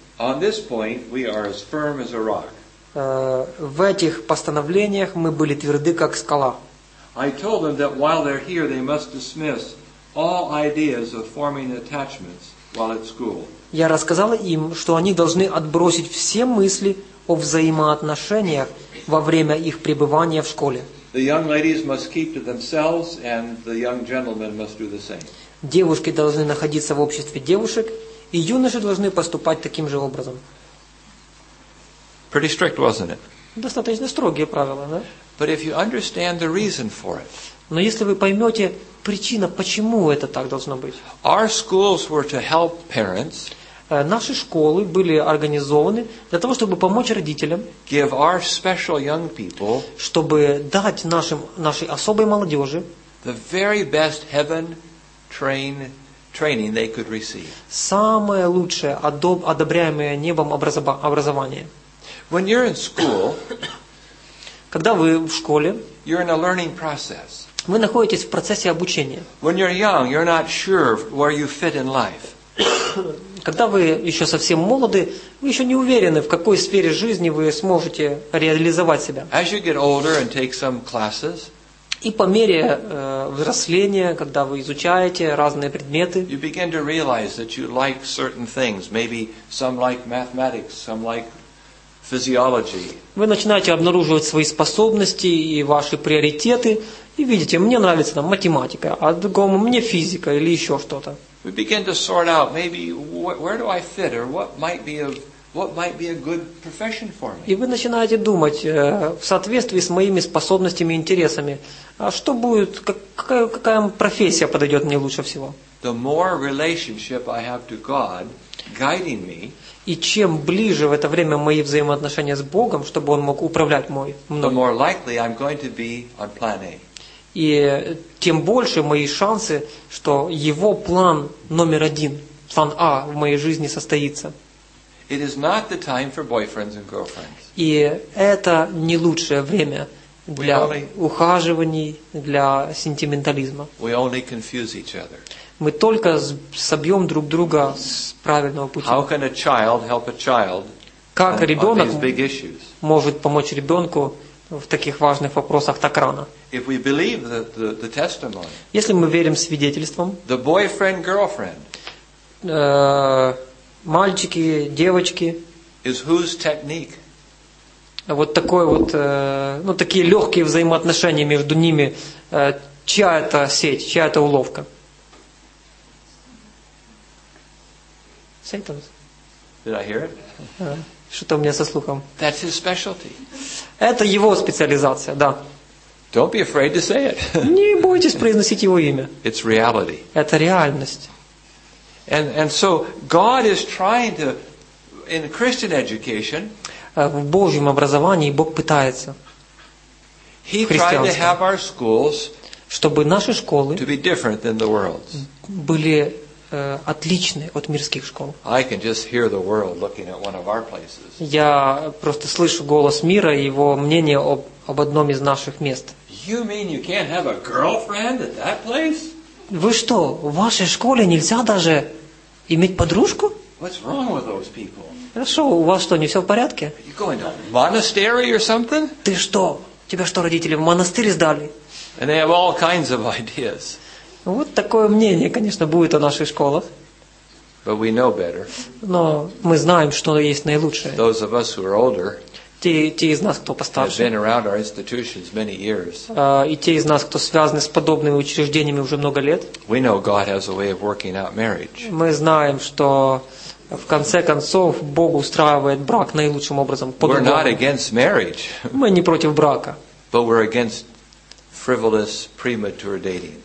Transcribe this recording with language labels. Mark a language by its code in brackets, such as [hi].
[en] On this point, we are as firm as a rock. [ru] В этих постановлениях мы были тверды, как скала. [en] I told them that while they're here, they must dismiss all ideas of forming attachments while at school. [ru] Я рассказал им, что они должны отбросить все мысли о взаимоотношениях во время их пребывания в школе. [en] The young ladies must keep to themselves, and the young gentlemen must do the same. [ru] Девушки должны находиться в обществе девушек, и юноши должны поступать таким же образом. [en] Pretty strict, wasn't it? [ru] Достаточно строгие правила, да? [en] But if you understand the reason for it. [ru] Но если вы поймете причину, почему это так должно быть. [en] Our schools were to help parents. [ru] Наши школы были организованы для того, чтобы помочь родителям. [en] Give our special young people. [ru] Чтобы дать нашей особой молодежи. [en] The very best heaven training they could receive. [ru] Самое лучшее одобряемое небом образование. [en] When you're in school. [ru] Когда вы в школе. [en] You're in a learning process. [ru] Вы находитесь в процессе обучения. [en] When you're young, you're not sure where you fit in life. [ru] Когда вы еще совсем молоды, вы еще не уверены, в какой сфере жизни вы сможете реализовать себя. [en] As you get older and take some classes, [ru] и по мере взросления, когда вы изучаете разные предметы, [en] you begin to realize that you like certain things, maybe some like mathematics, some like physiology. [ru] Вы начинаете обнаруживать свои способности и ваши приоритеты, и видите, мне нравится там математика, а другому мне физика или еще что-то. [en] We begin to sort out maybe where do I fit or what might be a good profession for me. [ru] И вы начинаете думать в соответствии с моими способностями и интересами, а что будет, какая профессия подойдет мне лучше всего? [en] The more relationship I have to God guiding me. [ru] И чем ближе в это время мои взаимоотношения с Богом, чтобы Он мог управлять мной, [en] the more likely I'm going to be on plan A. [ru] И тем больше мои шансы, что Его план номер один, план А в моей жизни состоится. [en] It is not the time for boyfriends and girlfriends. [ru] И это не лучшее время для ухаживаний, для сентиментализма. [en] We only confuse each other. [ru] Мы только собьем друг друга с правильного пути. [en] How can a child help a child? [ru] Как ребенок может помочь ребенку в таких важных вопросах так рано? [en] If we believe the testimony. [ru] Если мы верим свидетельствам. [en] The boyfriend girlfriend. [ru] Мальчики, девочки. [en] Is whose technique? [ru] Вот такое вот, ну такие легкие взаимоотношения между ними. Чья это сеть, чья это уловка? [en] Satan's. Did I hear it? [ru] Что-то у меня со слухом. [en] That's his specialty. [ru] Это его специализация, да. [en] Don't be afraid to say it. [ru] Не бойтесь произносить его имя. [en] It's reality. [ru] Это реальность. [en] And so God is trying to in Christian education. [ru] В Божьем образовании Бог пытается. [en] He tried to have our schools. [ru] Чтобы наши школы. [en] To be different than the world. [ru] Были отличны от мирских школ. [en] I can just hear the world looking at one of our places. [ru] Я просто слышу голос мира и его мнение об одном из наших мест. [en] You mean you can't have a girlfriend at that place? [ru] Вы что, в вашей школе нельзя даже иметь подружку? [en] What's wrong with those people? [ru] Хорошо, у вас что, не все в порядке? [en] Are you going to monastery or something? [ru] Ты что, тебя что, родители в монастырь сдали? [en] And they have all kinds of ideas. [ru] Вот такое мнение, конечно, будет о наших школах. [en] But we know better. [ru] Но мы знаем, что есть наилучшее. [en] Those of us who are older. [ru] Те из нас, кто постарше. [en] Have been around our institutions many years. [ru] И те из нас, кто связаны с подобными учреждениями уже много лет. [en] We know God has a way of working out marriage. [ru] Мы знаем, что в конце концов Бог устраивает брак наилучшим образом. [en] We're not against marriage. [ru] Мы не против брака. [en] But we're against frivolous premature dating.